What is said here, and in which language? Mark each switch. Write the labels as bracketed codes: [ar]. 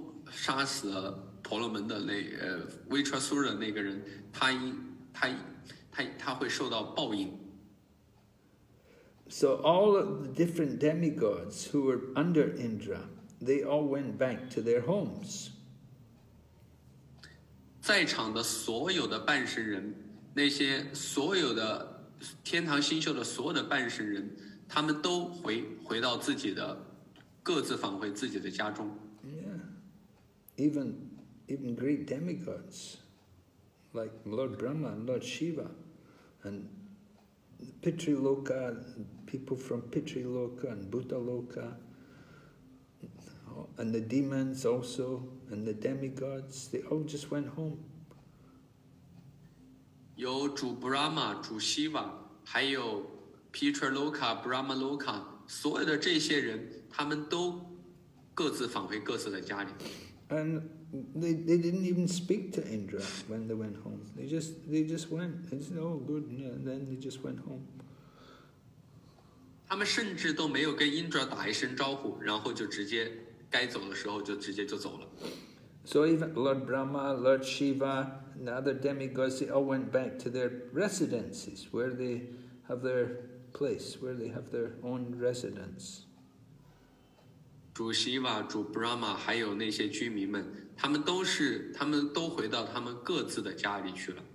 [zh] 杀死了婆罗门的那维车苏惹那个人，他会受到报应。 [en] So all of the different demigods who were under Indra, they all went back to their homes. [zh] 在场的所有的半神人，那些所有的天堂星宿的所有的半神人，他们都回到自己的各自返回自己的家中。 [en] Even great demigods like Lord Brahma and Lord Shiva and Pitri Loka, people from Pitri Loka and Bhuta Loka, know, and the demons also, and the demigods, they all just went home. [zh] 有主 Brahma, 主 Shiva, 还有 Pitra Loka, Brahma Loka, 所有的这些人他们都各自返回各自的家里。 [en] And they didn't even speak to Indra when they went home. They just went. They said, oh, good, and then they just went home. [zh] 他们甚至都没有跟 Indra 打一声招呼，然后就直接该走的时候就直接就走了。 [en] So even Lord Brahma, Lord Shiva, and the other demigods, they all went back to their residences, where they have their place, where they have their own residence. [zh] 主 Shiva, 主 Brahma, 还有那些居民们，他们都回到他们各自的家里去了。